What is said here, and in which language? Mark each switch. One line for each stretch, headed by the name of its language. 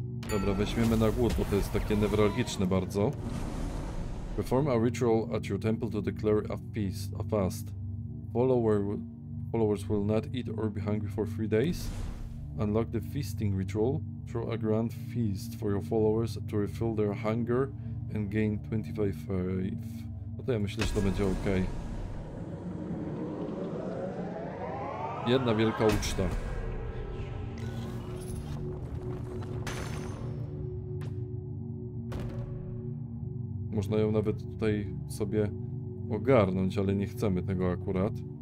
Polish: Dobra, weźmiemy na głód, bo to jest takie newralgiczne bardzo.
English: Perform a ritual at your temple to declare a feast, a fast. Followers will not eat or be hungry for 3 days. Unlock the feasting ritual. Throw a grand feast for your followers to refill their hunger and gain 25.
Polish: To ja myślę, że to będzie ok. Jedna wielka uczta. Można ją nawet tutaj sobie ogarnąć, ale nie chcemy tego akurat.